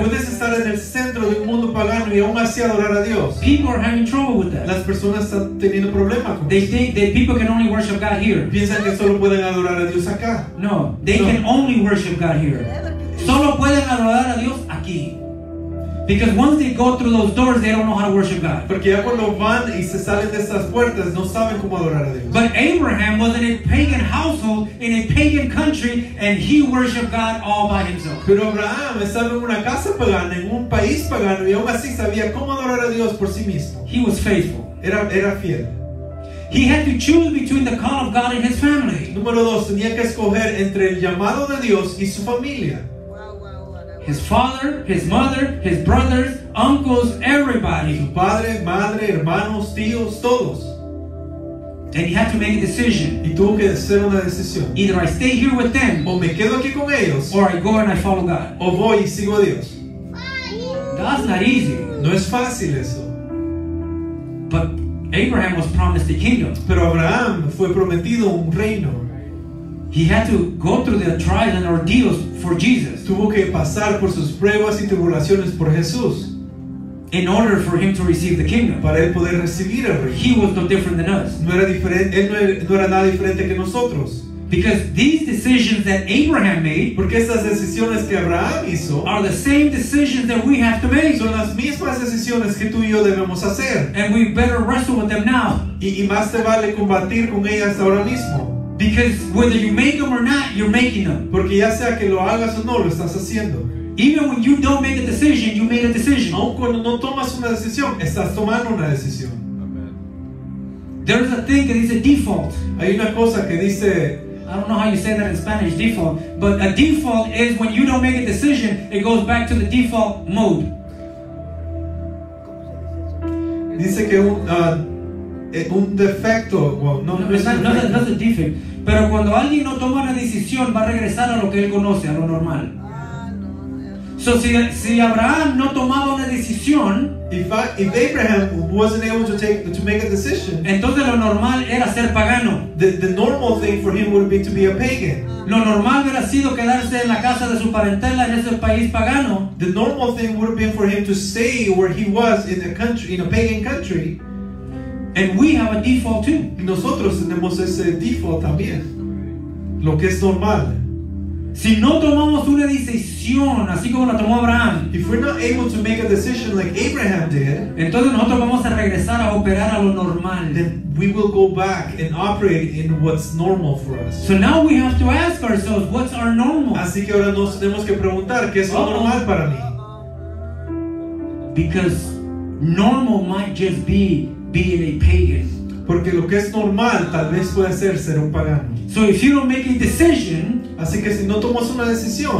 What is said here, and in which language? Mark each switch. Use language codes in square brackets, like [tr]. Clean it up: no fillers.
[es] ¿Puedes estar en el centro de un mundo pagano y aún así adorar a Dios? [en] People are having trouble with that. [es] Las personas están teniendo problemas con eso. [en] They think that people can only worship God here. [es] Piensan que solo pueden adorar a Dios acá. [en] No, they can only worship God here. [es] Solo pueden adorar a Dios aquí. [en] Because once they go through those doors, they don't know how to worship God. [es] Porque ya cuando van y se salen de esas puertas, no saben cómo adorar a Dios. [en] But Abraham was in a pagan household in a pagan country, and he worshiped God all by himself. [es] Pero Abraham estaba en una casa pagana en un país pagano y aún así sabía cómo adorar a Dios por sí mismo. [en] He was faithful. [es] Era fiel. [en] He had to choose between the call of God and his family. [es] Número dos, tenía que escoger entre el llamado de Dios y su familia. [en] His father, his mother, his brothers, uncles, everybody. [es] Su padre, madre, hermanos, tíos, todos. [en] And he had to make a decision. [es] Y tuvo que hacer una decisión. [en] Either I stay here with them. [es] O me quedo aquí con ellos. [en] Or I go and I follow God. [es] O voy y sigo a Dios. [en] That's not easy. [es] No es fácil eso. [en] But Abraham was promised a kingdom. [es] Pero Abraham fue prometido un reino. [en] He had to go through the trials and ordeals for Jesus. [es] Tuvo que pasar por sus pruebas y tribulaciones por Jesús. [en] In order for him to receive the kingdom. [es] Para él poder recibir el reino. [en] He was no different than us. [es] No era diferente, él no era nada diferente que nosotros. [en] Because these decisions that Abraham made. [es] Porque estas decisiones que Abraham hizo. [en] Are the same decisions that we have to make. [es] Son las mismas decisiones que tú y yo debemos hacer. [en] And we better wrestle with them now. [es] Y más te vale combatir con ellas ahora mismo. [en] Because whether you make them or not, you're making them. [es] Porque ya sea que lo hagas o no, lo estás haciendo. [en] Even when you don't make a decision, you made a decision. [es] Aun cuando no tomas una decisión, estás tomando una decisión. [en] Amen. There's a thing that is a default. [es] Hay una cosa que dice. [en] I don't know how you say that in Spanish, default. But a default is when you don't make a decision, it goes back to the default mode. [es] Dice que un defecto. Well, no es un defecto. Pero cuando alguien no toma una decisión, va a regresar a lo que él conoce, a lo normal. So si Abraham no tomaba una decisión, [en] if Abraham wasn't able to make a decision, [es] entonces lo normal era ser pagano. [en] The normal thing for him would be to be a pagan. [es] Lo normal hubiera sido quedarse en la casa de su parentela en ese país pagano. [en] The normal thing would be for him to stay where he was in a country, in a pagan country. And we have a default too. [es] Y nosotros tenemos ese default también. Lo que es normal. Si no tomamos una decisión, así como la tomó Abraham, [en] if we're not able to make a decision like Abraham did, [es] entonces nosotros vamos a regresar a operar a lo normal. [en] Then we will go back and operate in what's normal for us. So now we have to ask ourselves, what's our normal? [es] Así que ahora nos tenemos que preguntar, ¿qué es lo normal para mí? [en] Because normal might just be being a pagan. [es] Porque lo que es normal tal vez puede ser un pagano. [en] So if you don't make a decision, [es] así que si no tomas una decisión,